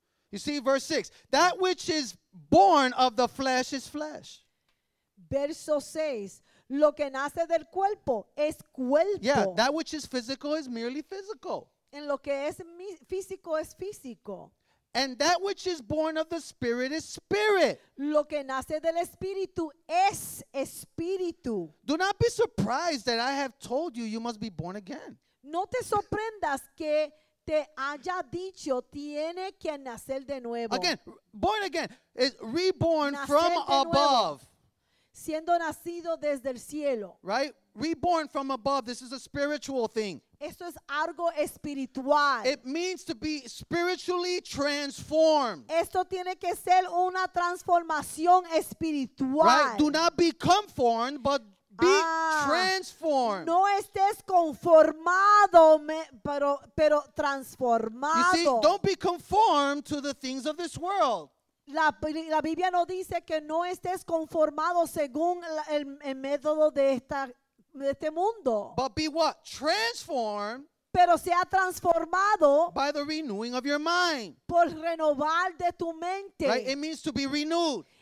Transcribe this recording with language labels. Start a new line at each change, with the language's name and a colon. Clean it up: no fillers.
English: You see, verse 6, that which is born of the flesh is flesh.
Spanish: Verso 6, lo que nace del cuerpo es cuerpo.
English: Yeah, that which is physical is merely physical.
Spanish: En lo que es físico es físico.
English: And that which is born of the spirit is spirit.
Spanish: Lo que nace del espíritu es espíritu.
English: Do not be surprised that I have told you must be born again.
Spanish: No te sorprendas que te haya dicho tiene que nacer de nuevo.
English: Again, born again is reborn
Spanish: nacer
English: from above.
Spanish: Siendo nacido desde el cielo.
English: Right? Reborn from above. This is a spiritual thing.
Spanish: Esto es algo espiritual.
English: It means to be spiritually transformed.
Spanish: Esto tiene que ser una transformación espiritual.
English: Right? Do not be conformed, but be transformed.
Spanish: No estés conformado, pero transformado.
English: You see, don't be conformed to the things of this world.
Spanish: La Biblia no dice que no estés conformado según el método de este mundo.
English: But be what? Transformed.
Spanish: Pero sea transformado.
English: By the renewing of your mind.
Spanish: Por renovar de tu mente.
English: Right? It means to be renewed.